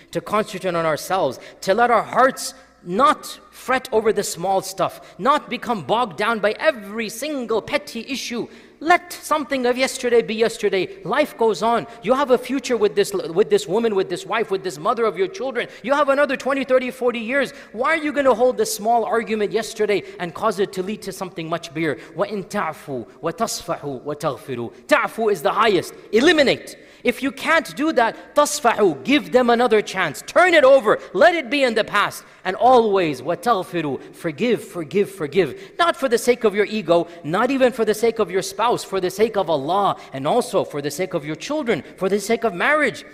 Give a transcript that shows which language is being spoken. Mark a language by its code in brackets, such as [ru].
[en] To concentrate on ourselves, to let our hearts not fret over the small stuff, not become bogged down by every single petty issue. Let something of yesterday be yesterday. Life goes on. You have a future with this woman, with this wife, with this mother of your children. You have another 20, 30, 40 years. Why are you going to hold this small argument yesterday and cause it to lead to something much bigger? [ar] وَإِن تَعْفُوا وَتَصْفَحُوا وَتَغْفِرُوا. تَعْفُوا [en] is the highest. Eliminate. If you can't do that, tasfahu, give them another chance. Turn it over. Let it be in the past. And always, وَتَغْفِرُوا, forgive, forgive, forgive. Not for the sake of your ego, not even for the sake of your spouse, for the sake of Allah, and also for the sake of your children, for the sake of marriage.